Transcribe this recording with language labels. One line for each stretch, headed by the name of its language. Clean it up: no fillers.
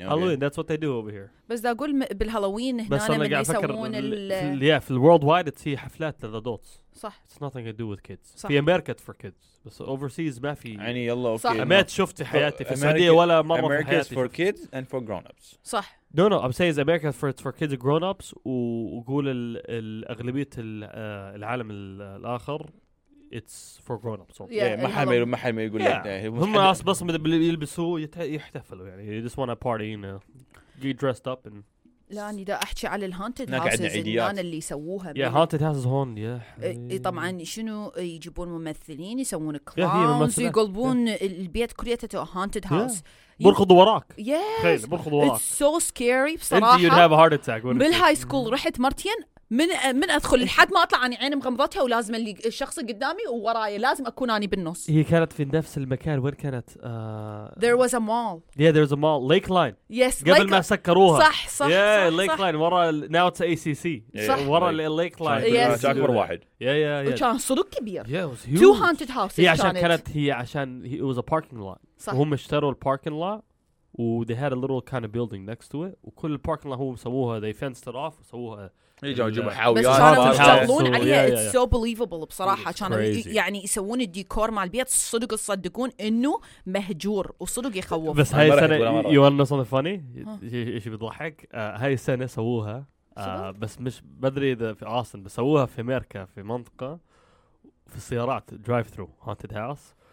English: Halloween that's what they do over here.
Arabic: بس ده أقول بالهالوين هنا من يسوون ال yeah في الworld wide تسي حفلات للأدوتس. صح
English: it's nothing to do with kids
Arabic: في امريكا
English: for kids بس overseas
Arabic: ما في يعني يلا اوكي ما شفت حياتي في السعوديه ولا مره في حياتي
English: for kids and for grown ups
Arabic: صح
English: No, no, I'm saying America for kids and grown-ups.
Arabic: وقول الأغلبية العالم الآخر
English: it's for grown-ups.
Arabic: Yeah, ما حامل يقول لك. هم أصلا بس يلبسوا يحتفلوا يعني.
English: They just want to party, you know. Get dressed up and...
Arabic: لا أنا دا أحكي على الهانتد هاوسز إن اللي يسووها. يا هانتد هاوسز هون يا. طبعًا شنو يجيبون ممثلين يسوون كلاونز يقلبون البيت كريتته هانتد هاوس. برخض وراك.
English: Yes.
Arabic: برخض وراك.
English: It's so scary بصراحة. You'd have a heart attack.
Arabic: بالهاي سكول رحت مرتين من أدخل لحد ما أطلع عن عيني مغمضتها ولازم اللي الشخص قدامي ووراي لازم أكون أنا بالنص. هي كانت في نفس المكان وين كانت؟
English: There was a mall. Yeah, there was a mall. Lake Line. Yes.
Arabic: قبل ما سكروها. صح صح.
English: Yeah,
Arabic: صح,
English: Lake
Arabic: صح.
English: Line. ورا now it's ACC. Yeah. ورا right. Lake Line.
Arabic: Yes. أكبر واحد.
English: Yeah yeah yeah.
Arabic: وكان صدق كبير.
English: Yeah, it was huge. Two haunted houses.
Arabic: Yeah, عشان كانت هي عشان
English: it was a parking lot.
Arabic: صح. وهم اشتروا الباركن لوت.
English: They had a little kind of building next to it.
Arabic: وكل الباركن لوت هو سووها.
English: They fenced it off. سووها. It's so believable بصراحة.
Arabic: يعني يسوون الديكور مع البيت صدق الصدقون إنه مهجور وصدق يخوف. بس هاي السنة
English: you wanna know something funny؟
Arabic: إيش بيضحك؟ هاي السنة سووها بس مش بدري إذا في أوستن بس سووها في أمريكا في منطقة في السيارات
English: drive through haunted house.